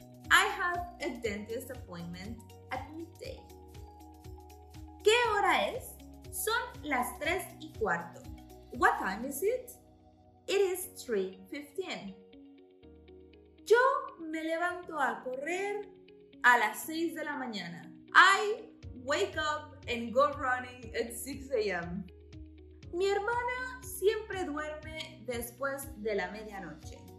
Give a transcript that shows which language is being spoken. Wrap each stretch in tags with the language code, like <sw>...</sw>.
<en>I have a dentist appointment at midday. ¿Qué hora es?</en> <es>Son las 3:15. What time is it?</es> <en>It is 3:15.</en> <es>Yo me levanto a correr a las 6 de la mañana.</es> <en>I wake up and go running at 6 a.m.</en> <es>Mi hermana siempre duerme después de la medianoche.</es>